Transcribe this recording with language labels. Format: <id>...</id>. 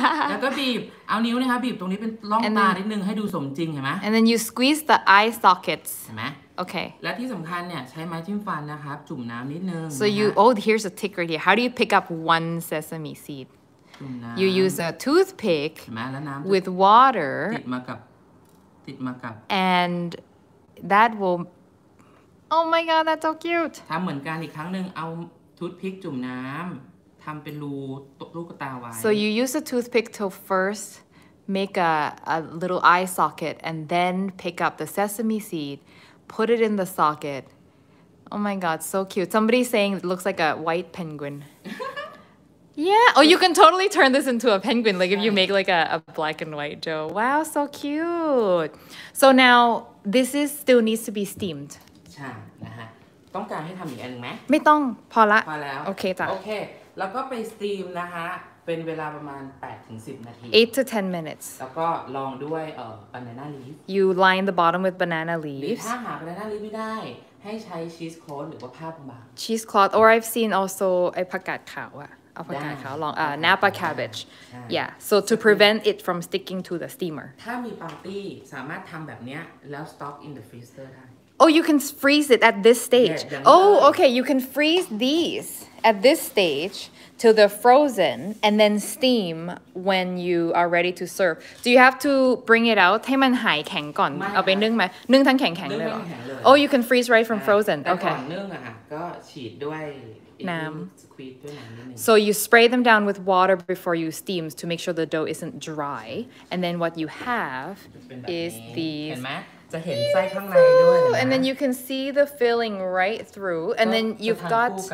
<th>แล้วก็บีบเอานิ้วนะคะบีบตรงนี้เป็นร่องตานิดนึงให้ดูสมจริงเห็นไหม</th> <en>And then you squeeze the eye sockets.</en> <th>เห็นไหม</th> <en>Okay.</en> <th>และที่สำคัญเนี่ยใช้ไม้จิ้มฟันนะครับจุ่มน้ำนิดนึง</th> <en>So you oh here's a trick right here. How do you pick up one sesame seed? You use a toothpick.</en> <th>เห็นไหมแล้วน้ำ</th> <en>With water.</en> <th>ติดมากับ</th> <en>And that will oh my god that's so cute.</en> <th>ทำเหมือนกันอีกครั้งนึงเอาToothpick จุ่มน้ำทำเป็นรูลูกตาไว้</th> <en>So you use a toothpick to first make a little eye socket and then pick up the sesame seed, put it in the socket. Oh my god, so cute. Somebody's saying it looks like a white penguin. yeah. Oh, you can totally turn this into a penguin. Like if you make like a black and white dough. Wow, so cute. So now this is still needs to be steamed.</en> <th>ใช่นะฮะต้องการให้ทำอีกอันไหม ไม่ต้องพอละ พอแล้ว โอเคจ้ะ โอเคแล้วก็ไปสตรีมนะคะเป็นเวลาประมาณ8ถึง10นาที</th> <en>8 to 10 minutes</en> <th>แล้วก็ลองด้วยbanana leaf</th> <en>you line the bottom with banana leaves</en> <th>ถ้าหา banana leaf ไม่ได้ให้ใช้ cheese cloth หรือว่าผ้าบาง</th> <en>cheese cloth or I've seen also</en> <th>ไอ้ผักกาดขาวอะเอาผักกาดขาวลอง</th> <en>napa cabbage yeah so to prevent it from sticking to the steamer</en> <th>ถ้ามีปาร์ตี้สามารถทำแบบเนี้ยแล้ว</th> <en>stock in the freezer</en> <th>ได้</th> <en>Oh, you can freeze it at this stage. Yeah, oh, okay. You can freeze these at this stage till they're frozen and then steam when you are ready to serve. Do you have to bring it out?</en> <th>ให้มันหายแข็งก่อนเอาไปนึ่งไหมนึ่งทั้งแข็งๆเลยหรอ</th> <en>Oh, you can freeze right from frozen. Okay.</en> <th>แต่ก่อนนึ่งอะค่ะก็ฉีดด้วย</th> <en>น้ำ So you spray them down with water before you steam to make sure the dough isn't dry. And then what you have is these.</en> <th>จะเห็นไส้ข้างในด้วยนะ</th> <en>And then you can see the filling right through and then you've got</en>